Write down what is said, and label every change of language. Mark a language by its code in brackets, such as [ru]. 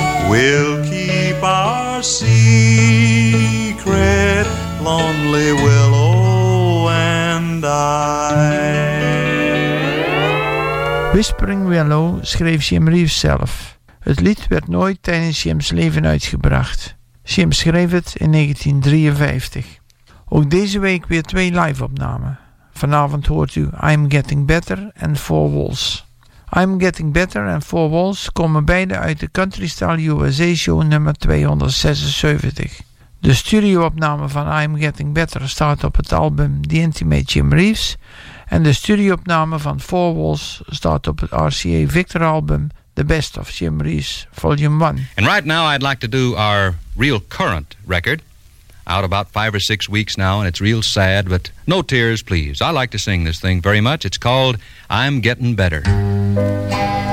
[en] We'll keep our secret, lonely willow and I. [nl] Whispering Willow schreef Jim Reeves zelf. Het lied werd nooit tijdens Jim's leven uitgebracht. Jim schreef het in 1953. Ook deze week weer twee live-opnamen. Vanavond hoort u I'm Getting Better en Four Walls. I'm Getting Better en Four Walls komen beide uit de Country Style USA show nummer 276. De studio-opname van I'm Getting Better staat op het album The Intimate Jim Reeves. En de studio-opname van Four Walls staat op het RCA Victor album The Best of Jim Reeves, Volume 1. [en] And right now I'd like to do our real current record. Out about 5 or 6 weeks now, and it's real sad, but no tears, please. I like to sing this thing very much. It's called I'm Getting Better.